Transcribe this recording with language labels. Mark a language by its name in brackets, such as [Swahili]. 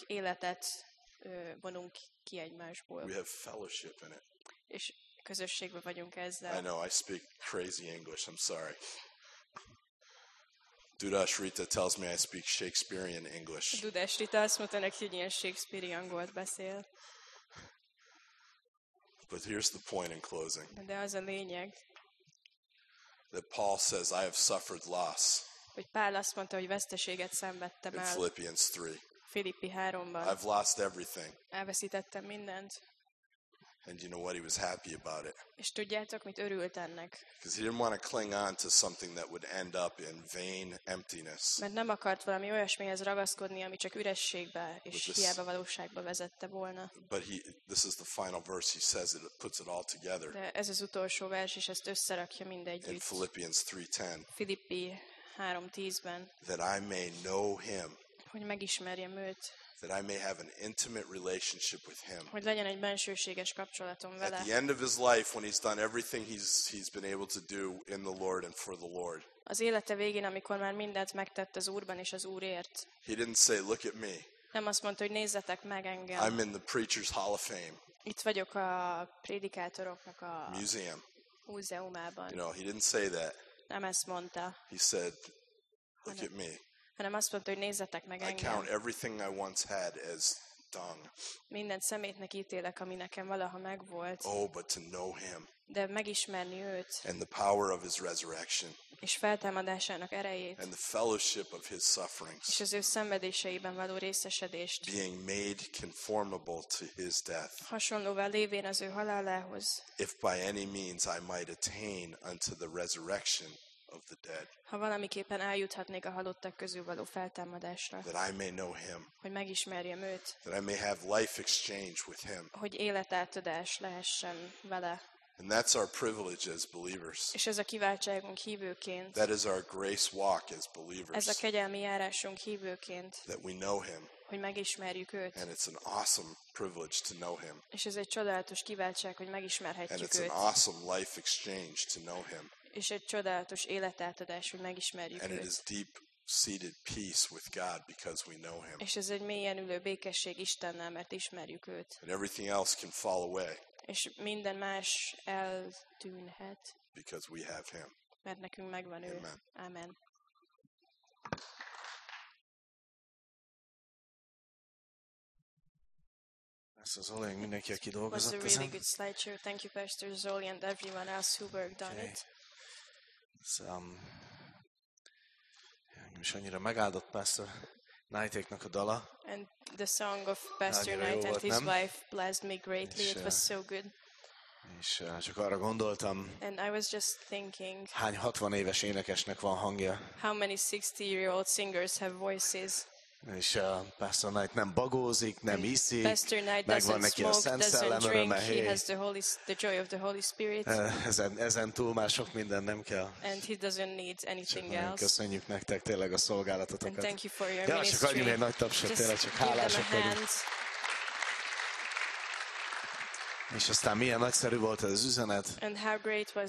[Hungarian] életet vonunk ki egymásból. [English] We have fellowship in it. [Hungarian] És közösségben vagyunk ezzel. [English] I know, I speak crazy English, I'm sorry. Dudás Rita tells me I speak Shakespearean English. [Hungarian] Dudás Rita azt mondta neki, hogy ilyen Shakespearean angolt beszél. [English] But here's the point in closing. [Hungarian] De az a lényeg. [English] That Paul says, I have suffered loss. [Hungarian] Hogy Pál azt mondta, hogy veszteséget szenvedtem el. [English] In Philippians 3. [Hungarian] Filippi 3-ban. [English] I've lost everything. [Hungarian] Elveszítettem mindent. [English] And you know what, he was happy about it. [Hungarian] És tudjátok, mit örült ennek. [English] Because he didn't want to cling on to something that would end up in vain emptiness. [Hungarian] Mert nem akart valami olyasmihez ragaszkodni, ami csak ürességbe és hiába valóságba vezette volna. [English] But this is the final verse, he says it puts it all together. [Hungarian] De ez az utolsó vers, és ezt összerakja mindegyütt. [English] In Philippians 3:10. [Hungarian] Filippi 3:10-ben. [English] That I may know him. [Hungarian] Hogy megismerjem őt. [English] That I may have an intimate relationship with him. [Hungarian] Hogy legyen egy bensőséges kapcsolatom vele. [English] At the end of his life, when he's done everything he's been able to do in the Lord and for the Lord. [Hungarian] Az élete végén, amikor már mindent megtett az Úrban és az Úrért. [English] He didn't say, "Look at me." [Hungarian] Nem azt mondta, hogy nézzetek meg engem. [English] I'm in the preacher's hall of fame. [Hungarian] Itt vagyok a prédikátoroknak a [English] museum. [Hungarian] Múzeumában. [English] You know, he didn't say that. [Hungarian] Nem ezt mondta. [English] He said, look at me. [Hungarian] Hanem azt mondta, hogy nézzetek meg engem. [English] I count everything I once had as dung. [Hungarian] Minden szemétnek ítélek, ami nekem valaha megvolt. [English] Oh, but to know him. [Hungarian] De megismerni őt. [English] And the power of his resurrection. [Hungarian] És feltámadásának erejét. [English] And the fellowship of his sufferings. [Hungarian] És az ő szenvedéseiben való részesedést. [English] Being made conformable to his death. [Hungarian] Hasonlóvá lévén az ő halálához. [English] If by any means I might attain unto the resurrection of the dead. [Hungarian] Ha valamiképpen eljuthatnék a halottak közül való feltámadásra. [English] That I may know him. [Hungarian] Hogy megismerjem őt. [English] That I may have life exchange with him. [Hungarian] Hogy életátadás lehessen vele. [English] And that's our privilege as believers. [Hungarian] És ez a kiváltságunk hívőként. [English] That is our grace walk as believers. [Hungarian] Ez a kegyelmi járásunk hívőként. [English] That we know him. [Hungarian] Hogy megismerjük őt. [English] And it's an awesome privilege to know him. [Hungarian] És ez egy csodálatos kiváltság, hogy megismerhetjük őt. [English] And it's an awesome life exchange to know him. [Hungarian] És egy csodálatos életátadás, hogy megismerjük [English] and [Hungarian] őt. [English] It is deep-seated peace with God because we know him. [Hungarian] És ez egy mélyen ülő békesség Istennel, mert ismerjük őt. [English] And everything else can fall away. [Hungarian] És minden más eltűnhet. [English] Because we have him. [Hungarian] Mert nekünk megvan ő. [English] Amen. [Hungarian] Amen. Pastor Zolian, mindenki, aki dolgozott ezen. [English] It was a really good slideshow. Thank you, Pastor Zolian, and everyone else who worked on it. [Hungarian] És annyira megáldott Pastor Knight-éknak a dala. [English] And the song of Pastor Knight and his wife blessed me greatly. It was so good. [Hungarian] És csak arra gondoltam. [English] And I was just thinking. [Hungarian] Hány 60 éves énekesnek van hangja? [English] How many 60-year-old singers have voices? [Hungarian] És Pastor Knight nem bagózik, nem iszik. [English] Pastor Knight doesn't smoke, doesn't drink. He has the joy of the Holy Spirit. [Hungarian] Ezen túl már sok minden nem kell. [English] And he doesn't need anything else. [Hungarian] Köszönjük nektek tényleg a szolgálatotokat. [English] And thank you for your ministry. [Hungarian] Csak adjunk egy nagy tapsot, tényleg csak hálások vagyunk. És aztán milyen nagyszerű volt ez az üzenet. [English] And how great was